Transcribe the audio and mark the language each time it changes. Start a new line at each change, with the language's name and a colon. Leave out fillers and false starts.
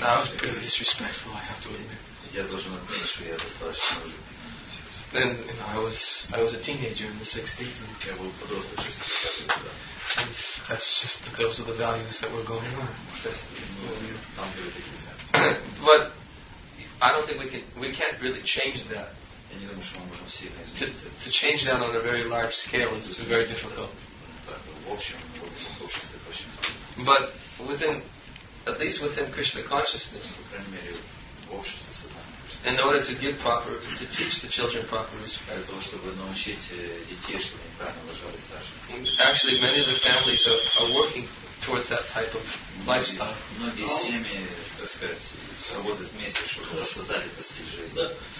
English: That was pretty disrespectful, I have to admit.
Russian: Я должен отметить, что я достаточно
English: Then you know, I was a teenager in the 60s. And
Russian: я был подростком в 60-х годах.
English: That's just those are the values that were going on. But I don't think we can't really change that.
Russian: Я не думаю, что мы можем сильно изменить.
English: To change that on a very large scale is very difficult.
Russian: В общем, в обществе это очень сложно.
English: But within, at least within Krishna consciousness.
Russian: По крайней мере, в обществе.
English: In order to give proper, to teach the children proper respect.
Russian: Для того, чтобы научить детей, чтобы они правильно уважали старших.
English: Actually, many of the families are working towards that type of lifestyle.
Russian: Многие семьи, так сказать, работают вместе, чтобы создали достичь жизни.